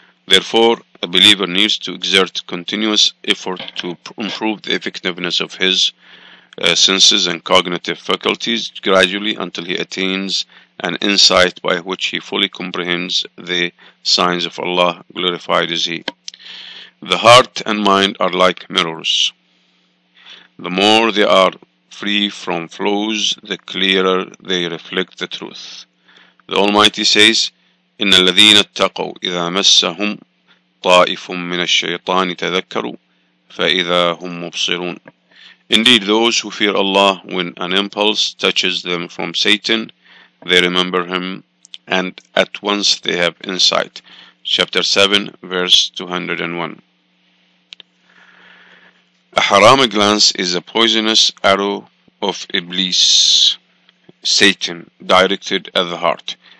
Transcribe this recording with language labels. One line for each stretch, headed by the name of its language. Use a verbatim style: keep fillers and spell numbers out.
English: Therefore, a believer needs to exert continuous effort to pr- improve the effectiveness of his uh, senses and cognitive faculties gradually until he attains an insight by which he fully comprehends the signs of Allah, glorified is He. The heart and mind are like mirrors. The more they are free from flaws, the clearer they reflect the truth. The Almighty says,
Arabic: إن الذين اتقوا إذا مسهم طائف من الشيطان تذكروا فإذا هم مبصرون.
English: Indeed, those who fear Allah, when an impulse touches them from Satan, they remember him, and at once they have insight. Chapter seven, verse two hundred one. A haram glance is a poisonous arrow of Iblis, Satan, directed at the heart.